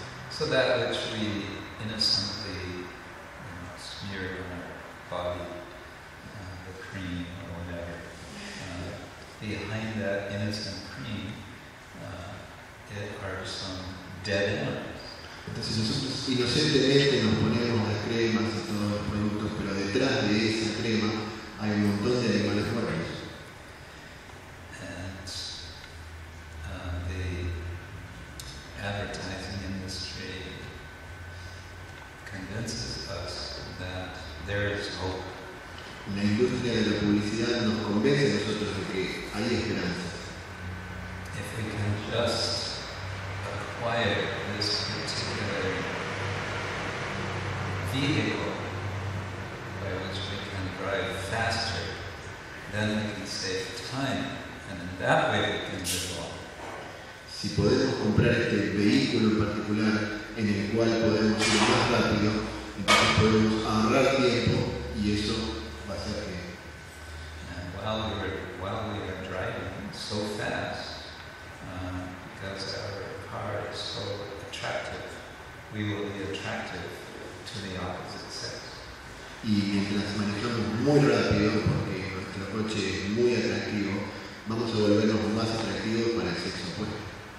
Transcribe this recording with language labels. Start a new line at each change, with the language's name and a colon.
English: So that which we innocently smeared on our body, the cream or whatever, behind that innocent cream, there are some dead animals.
Spanish: Entonces, inocentemente nos ponemos las cremas y todos los productos, pero detrás de esa crema hay un montón de animales muertos.
English: And the advertising industry convinces us that there is hope.
Spanish: La industria de la publicidad nos convence a nosotros de que hay esperanza.
English: If we can just acquire this particular vehicle by which we can drive faster, then we can save time, and in that way we can live longer.
Spanish: si podemos comprar este vehículo en particular en el cual podemos ir más rápido, entonces podemos ahorrar tiempo y eso va a hacer que.
English: And while we are driving so fast, because our car is so attractive, we will be attractive to the opposite sex.
Spanish: Y mientras manejamos muy rápido, porque nuestro coche es muy atractivo, vamos a volvernos más atractivos para el sexo opuesto.